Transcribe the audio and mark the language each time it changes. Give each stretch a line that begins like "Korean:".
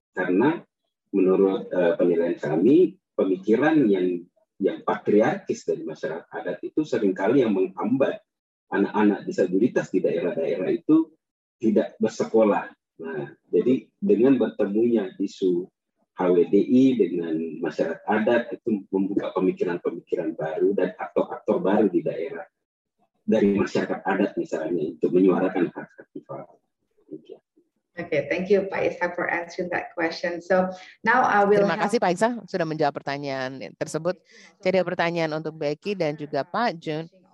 Indonesian: Karena menurut penilaian kami, pemikiran yang patriarkis dari masyarakat adat itu seringkali yang menghambat anak-anak disabilitas di daerah-daerah itu tidak bersekolah. Nah, jadi dengan bertemunya isu HWDI dengan masyarakat adat itu membuka pemikiran-pemikiran baru dan aktor-aktor baru di daerah dari masyarakat adat misalnya untuk menyuarakan hak-hak difabel.
English: Okay, thank you Pak Isa for answering that question. So now I will.
Indonesian: Terima kasih Pak Isa sudah menjawab pertanyaan tersebut. Jadi pertanyaan untuk Becky dan juga Pak Jun.